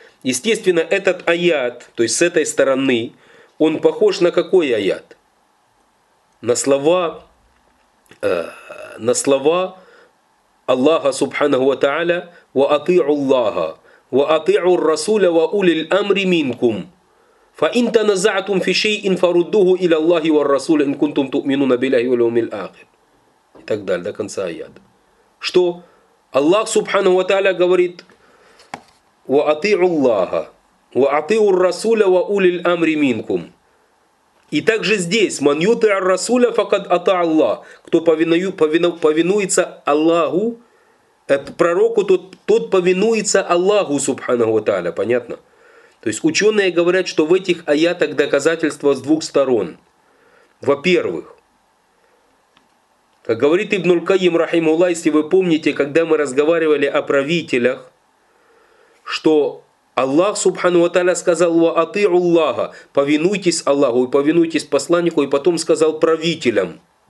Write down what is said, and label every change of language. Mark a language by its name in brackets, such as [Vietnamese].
[Russian] Естественно, этот аят, то есть с этой стороны, он похож на какой аят? На слова Аллаха, субхану ва тааля, [Arabic] «Ва атиу Аллаха, ва атиу ар-расуля, ва улиль амри минкум». فإن تنزعتم في شيء فردوه إلى الله والرسول إن كنتم تؤمنون بالله واليوم الآخر. [Russian] И так далее до конца аята. Что Аллах субхана ва тааля говорит: [Arabic] وأطيعوا الله وأطيعوا الرسول وأولي الأمر منكم. [Russian] И также здесь: [Arabic] من يطع الرسول فقد أطاع الله. [Russian] Кто повинуется Аллаху, пророку, тот повинуется Аллаху субхана ва тааля. Понятно? То есть ученые говорят, что в этих аятах доказательства с двух сторон. Во-первых, как говорит Ибн Аль-Кайим, рахимахуллах, если вы помните, когда мы разговаривали о правителях, что Аллах, субхану ва тааля, сказал [Arabic] «Ва атиу Аллаха», [Russian] повинуйтесь Аллаху и повинуйтесь посланнику, и потом сказал правителям.